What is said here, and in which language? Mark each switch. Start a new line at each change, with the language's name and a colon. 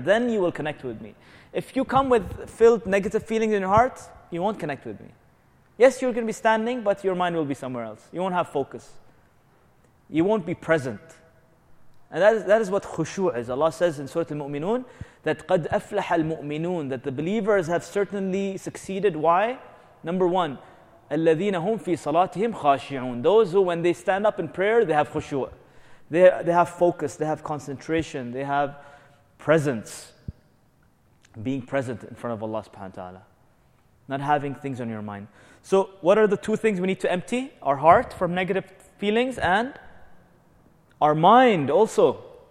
English: Then you will connect with me. If you come with filled negative feelings in your heart, you won't connect with me. Yes, you're going to be standing, but your mind will be somewhere else. You won't have focus. You won't be present. And that is what khushu' is. Allah says in Surah Al-Mu'minun that
Arabic: قَدْ أَفْلَحَ الْمُؤْمِنُونَ,
English: that the believers have certainly succeeded. Why? Number one,
Arabic: الَّذِينَ هُمْ فِي صَلَاتِهِمْ خَاشِعُونَ.
English: Those who, when they stand up in prayer, they have khushu'. They have focus, they have concentration, they have presence. Being present in front of Allah subhanahu wa ta'ala. Not having things on your mind. So what are the two things we need to empty? Our heart from negative feelings and our mind also.